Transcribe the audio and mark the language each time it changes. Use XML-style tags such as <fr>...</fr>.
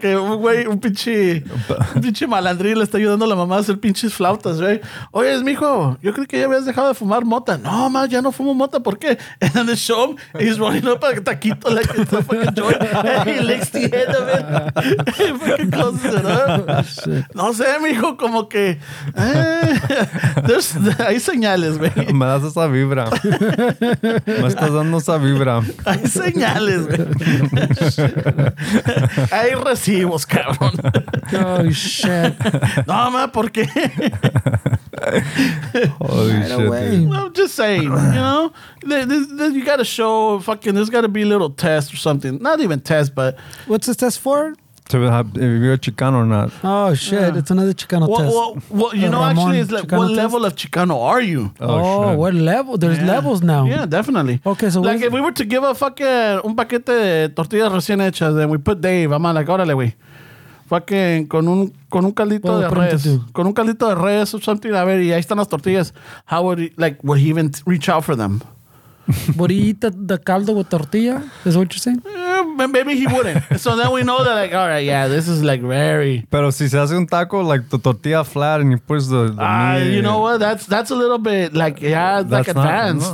<es>Güey, un pinche malandrín le está ayudando a la mamá a hacer pinches flautas, güey. Oye, es mijo. Yo creo que ya habías dejado de fumar mota. No, ma, ya no fumo mota. ¿Por qué?</es> <en>And then the show him, he's running up a taquito like it's a fucking joint. And he licks the head of it. Fucking closes it up.</en> <es>Oh, no sé, mijo, como que. Hay señales. Me. Me das esa vibra. Me estás dando esa vibra. Hay señales, güey. Hay recibos, cabrón.</es> <en>Oh, shit.</en> <es>No, ma, ¿por qué?</es> <en>Holy right shit. No, I'm just saying, you know? This, you got to show fucking, there's got to be a little test or something. Not even test, but. What's this test for? To have, if you're a Chicano or not. Oh, shit. Yeah. It's another Chicano test. Well, you know, Ramon actually, it's like, Chicano what test? Level of Chicano are you? Oh, shit. What level? There's levels now. Yeah, definitely. Okay, so like, if we were to give a fucking</en> <es>un paquete de tortillas recién hechas,</es> <en>and we put Dave, I'm like, órale, güey.</en> <es>Fucking con un caldito de res. Con un caldito de res</es> <en>or something.</en> <es>A ver, y ahí están las tortillas.</es> <en>How would he even reach out for them? Would he eat the caldo with tortilla? Is what you're saying? Maybe he wouldn't. So then we know that, like, all right, yeah, this is like very.</en> <es>Pero si se hace un taco,</es> <en>like the tortilla flat and you push the meat. You know what? That's a little bit like, yeah, that's like advanced.</en>